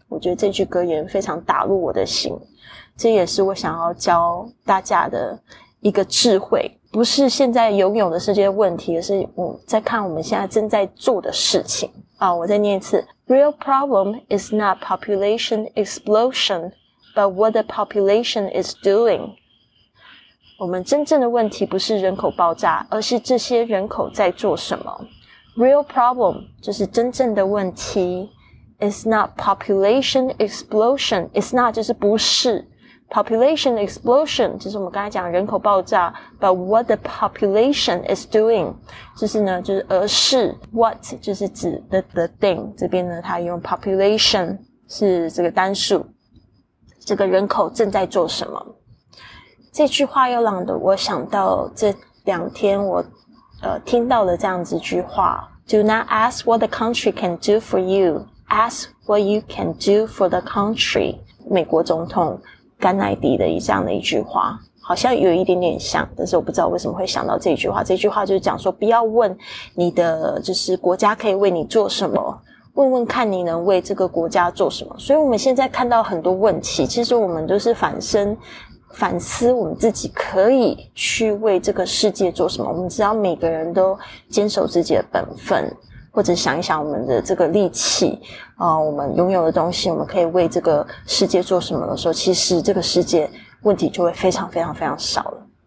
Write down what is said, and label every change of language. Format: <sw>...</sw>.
<zh>我觉得这句格言非常打入我的心，这也是我想要教大家的一个智慧，不是现在拥有的这些问题，而是我在看我们现在正在做的事情啊。</zh> <en>我再念一次， real problem is not population explosionBut what the population is doing.</en> <zh>我们真正的问题不是人口爆炸，而是这些人口在做什么。</zh> <en>Real problem</en> <zh>就是真正的问题。</zh> <en>It's not population explosion. It's not</en> <zh>就是不是。</zh> <en>Population explosion</en> <zh>就是我们刚才讲人口爆炸。</zh> <en>But what the population is doing</en> <zh>就是呢，就是而是</zh> <en>what</en> <zh>就是指</zh> <en>the thing。</en> <zh>这边呢，它用 population 是这个单数。这个人口正在做什么？这句话又让我想到这两天我听到了这样子句话：</zh> <en>Do not ask what the country can do for you, ask what you can do for the country.</en> <zh>美国总统甘乃迪的这样的一句话，好像有一点点像，但是我不知道为什么会想到这句话。这句话就是讲说，不要问你的就是国家可以为你做什么，问问看你能为这个国家做什么。所以我们现在看到很多问题，其实我们都是反思我们自己可以去为这个世界做什么。我们知道每个人都坚守自己的本分，或者想一想我们的这个力气我们拥有的东西，我们可以为这个世界做什么的时候，其实这个世界问题就会非常非常非常少了。</zh>